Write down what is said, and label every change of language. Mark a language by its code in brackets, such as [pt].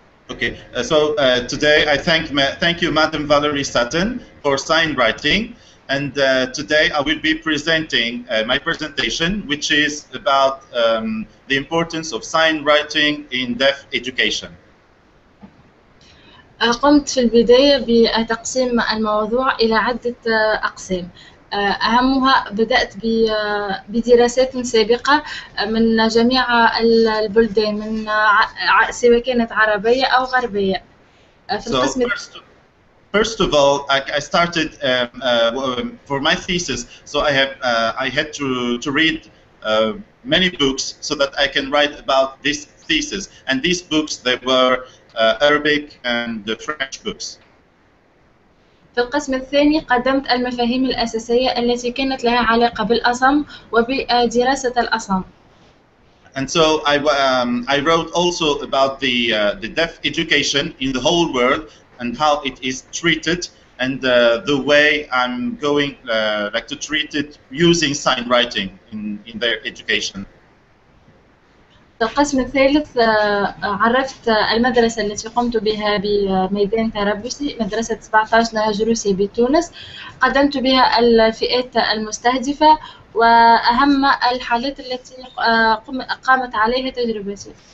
[en] Okay, so today I thank you Madam Valerie Sutton for sign writing, and today I will be presenting my presentation, which is about the importance of sign writing in deaf education. [ar] قمت في البداية بتقسيم الموضوع إلى عدة أقسام. أهمها بدأت بدراسات سابقة من جميع البلدان من سواء كانت عربية أو غربية. في القسم [en] First of all, I started for my thesis, so I had to read many books so that I can write about this thesis. And these books, they were Arabic and the French books. [ar] في القسم الثاني قدمت المفاهيم الأساسية التي كانت لها علاقة بالأصم وبدراسة الأصم. [en] And so I wrote also about the deaf education in the whole world and how it is treated and the way I'm going like to treat it using sign writing in their education. [ar] القسم الثالث عرفت المدرسة التي قمت بها بميدان تربصي مدرسة 17 نهج روسي بتونس قدمت بها الفئات المستهدفة وأهم الحالات التي قامت عليها تجربتي.